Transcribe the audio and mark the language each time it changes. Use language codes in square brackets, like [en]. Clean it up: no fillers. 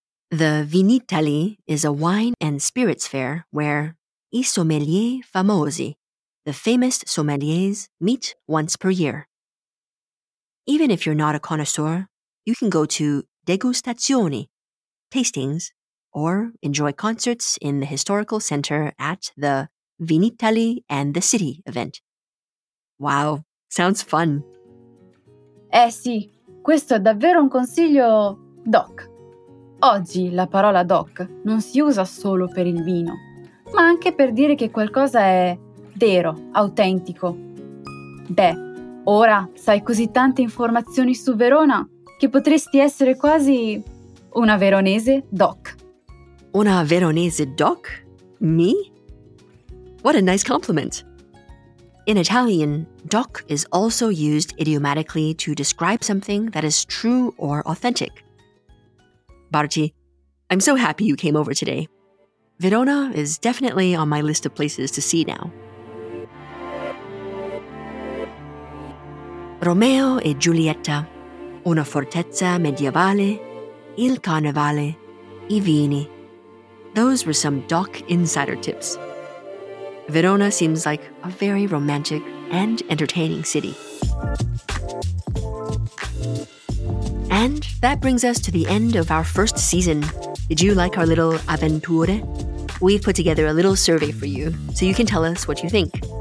[en] The Vinitaly is a wine and spirits fair where [it] I sommelier famosi, [en] the famous sommeliers, meet once per year. Even if you're not a connoisseur, you can go to degustazioni, tastings, or enjoy concerts in the historical center at the Vinitaly and the City event. Wow, sounds fun! [it] Eh sì, questo è davvero un consiglio DOC. Oggi la parola DOC non si usa solo per il vino, ma anche per dire che qualcosa è vero, autentico. Beh, ora sai così tante informazioni su Verona che potresti essere quasi una veronese DOC. Una veronese DOC? [en] Me? What a nice compliment! In Italian, DOC is also used idiomatically to describe something that is true or authentic. Barti, I'm so happy you came over today. Verona is definitely on my list of places to see now. [it] Romeo e Giulietta, una fortezza medievale, il carnevale, i vini. [en] Those were some DOC insider tips. Verona seems like a very romantic and entertaining city. And that brings us to the end of our first season. Did you like our little avventure? We've put together a little survey for you, so you can tell us what you think.